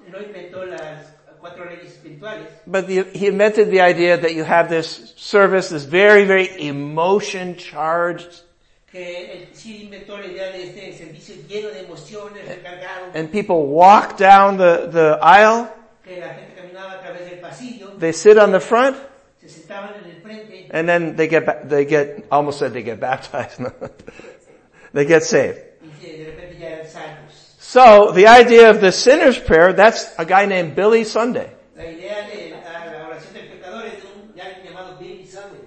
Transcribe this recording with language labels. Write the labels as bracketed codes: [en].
[es] No inventó las cuatro leyes espirituales. [en] But he invented the idea that you have this service, this very, very emotion-charged and people walk down the aisle. [es] Que la gente caminaba a través del pasillo. [en] They sit on the front. [es] Se sentaban en el frente. [en] And then they get, almost said they get baptized. They get saved. [es] Y de repente ya eran salvos. [en] So the idea of the sinner's prayer, that's a guy named Billy Sunday. [es] La idea de la oración del pecador es de un ya llamado Billy Sunday.